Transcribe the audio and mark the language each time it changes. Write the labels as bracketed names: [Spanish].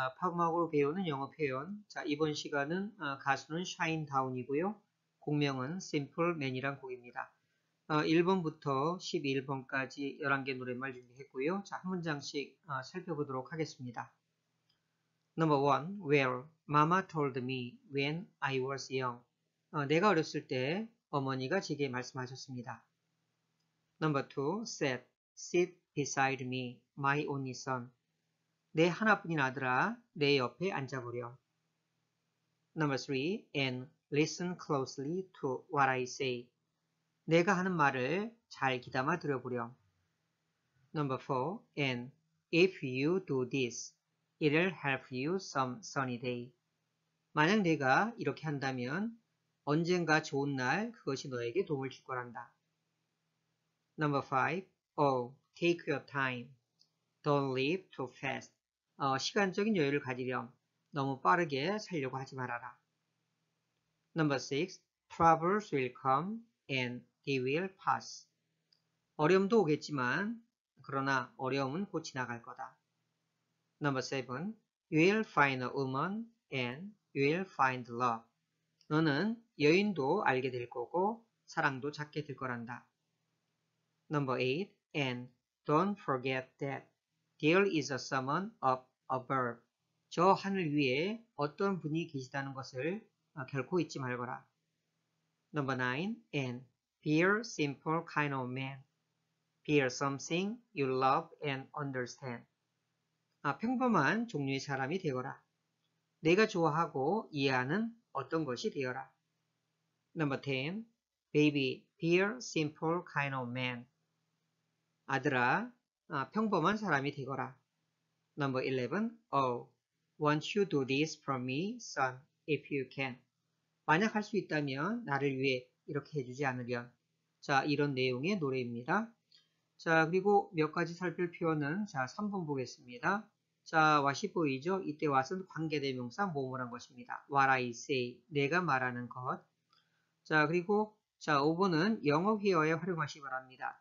[Korean] 파음악으로 배우는 영어 표현. 자, 이번 시간은 가수는 샤인다운이고요. 곡명은 심플 맨이란 곡입니다. 1번부터 11번까지 11개 노랫말 준비했고요. 자, 한 문장씩 살펴보도록 하겠습니다. [English] Number one, well, Mama told me when I was young. [Korean] 내가 어렸을 때 어머니가 제게 말씀하셨습니다. [English] Number two, said, sit beside me, my only son. [Korean] 내 하나뿐인 아들아, 내 옆에 앉아보려. [English] Number three, and listen closely to what I say. [Korean] 내가 하는 말을 잘 귀담아 들어보려. [English] Number four, and if you do this, it'll help you some sunny day. [Korean] 만약 내가 이렇게 한다면 언젠가 좋은 날 그것이 너에게 도움을 줄 거란다. [English] Number five, oh, take your time. Don't live too fast. [Korean] 시간적인 여유를 가지렴. 너무 빠르게 살려고 하지 말아라. [English] Number six, troubles will come and they will pass. [Korean] 어려움도 오겠지만, 그러나 어려움은 곧 지나갈 거다. [English] Number seven, you'll find a woman and you'll find love. [Korean] 너는 여인도 알게 될 거고, 사랑도 찾게 될 거란다. [English] Number eight, and don't forget that there is a someone up above. [Korean] 저 하늘 위에 어떤 분이 계시다는 것을 결코 잊지 말거라. [English] Number nine, and be a simple kind of man. Be something you love and understand. [Korean] 평범한 종류의 사람이 되거라. 내가 좋아하고 이해하는 어떤 것이 되어라. [English] Number ten, baby, be a simple kind of man. [Korean] 아들아, 평범한 사람이 되거라. [English] Number 11. Oh, won't you do this for me, son, if you can? [Korean] 만약 할 수 있다면 나를 위해 이렇게 해주지 않으렴. 자, 이런 내용의 노래입니다. 자, 그리고 몇 가지 살필 표현은 자, 3번 보겠습니다. 자, what이 보이죠? 이때 what은 관계대명사 뭐뭐란 것입니다. [English] What I say, [Korean] 내가 말하는 것. 자, 그리고 자, 5번은 영어 회화에 활용하시기 바랍니다.